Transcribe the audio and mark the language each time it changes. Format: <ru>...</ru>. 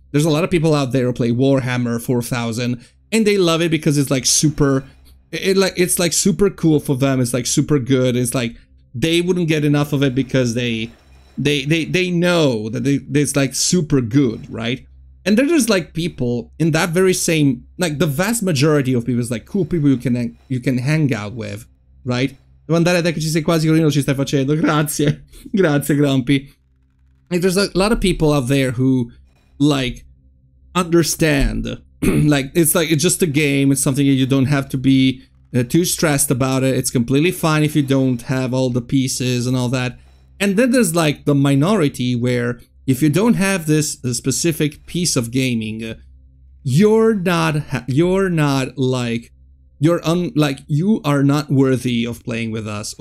<en>There's a lot of people out there who play Warhammer 4000 and they love it because it's like super, it's like super cool for them. It's like super good. It's like they wouldn't get enough of it because they know that it's like super good, right? And there is like people in that very same, like the vast majority of people is like cool people you can hang out with, right?</en> <it>Devo andare, dai, che ci sei quasi, Corino, ci stai facendo. Grazie. Grazie, Grumpy.</it> <en>Like, there's a lot of people out there who, like, understand, like, it's like, it's just a game, it's something that you don't have to be too stressed about it, it's completely fine if you don't have all the pieces and all that. And then there's, like, the minority where, if you don't have this specific piece of gaming, you are not worthy of playing with us.</en>